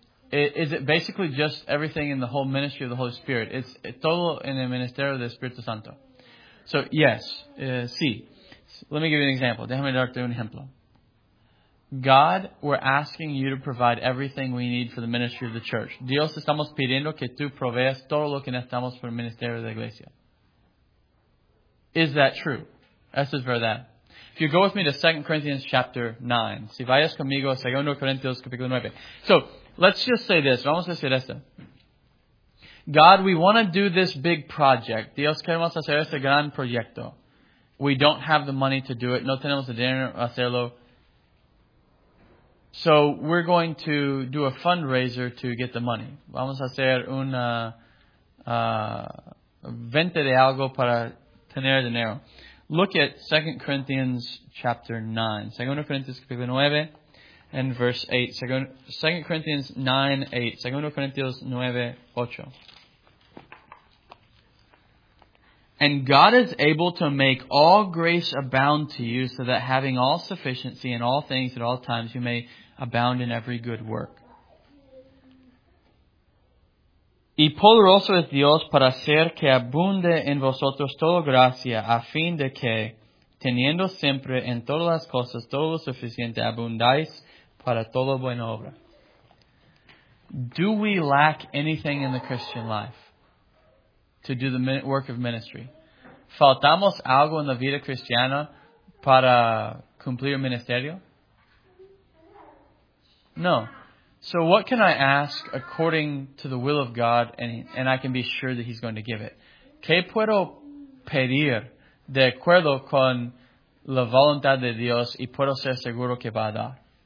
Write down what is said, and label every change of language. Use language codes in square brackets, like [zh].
[en] Is it basically just everything in the whole ministry of the Holy Spirit? It's [es] todo en el ministerio del Espíritu Santo. [en] So, yes. Let me give you an example. [es] Déjame darte un ejemplo. [en] God, we're asking you to provide everything we need for the ministry of the church. [es] Dios, estamos pidiendo que tú proveas todo lo que necesitamos para el ministerio de la iglesia. [en] Is that true? [es] Eso es verdad. [en] If you go with me to 2 Corinthians chapter 9. [es] Si vayas conmigo a 2 Corinthians capítulo 9. [en] So, let's just say this. [es] Vamos a decir esto. [en] God, we want to do this big project. [es] Dios, queremos hacer este gran proyecto. [en] We don't have the money to do it. [es] No tenemos el dinero para hacerlo. [en] So, we're going to do a fundraiser to get the money. [es] Vamos a hacer una venta de algo para tener dinero. [en] Look at 2 Corinthians chapter 9. 2 Corinthians capítulo 9 and verse 8. 2 Corinthians 9, 8. 2 Corinthians 9, 8. And God is able to make all grace abound to you so that having all sufficiency in all things at all times you may abound in every good work. [es] Y poderoso es Dios para hacer que abunde en vosotros toda gracia, a fin de que, teniendo siempre en todas las cosas todo lo suficiente, abundáis para toda buena obra. [en] Do we lack anything in the Christian life to do the work of ministry? [es] ¿Faltamos algo en la vida cristiana para cumplir el ministerio? [en] No. So what can I ask according to the will of God and I can be sure that He's going to give it? [es] ¿Qué puedo pedir de acuerdo con la voluntad de Dios y puedo ser seguro que va a dar?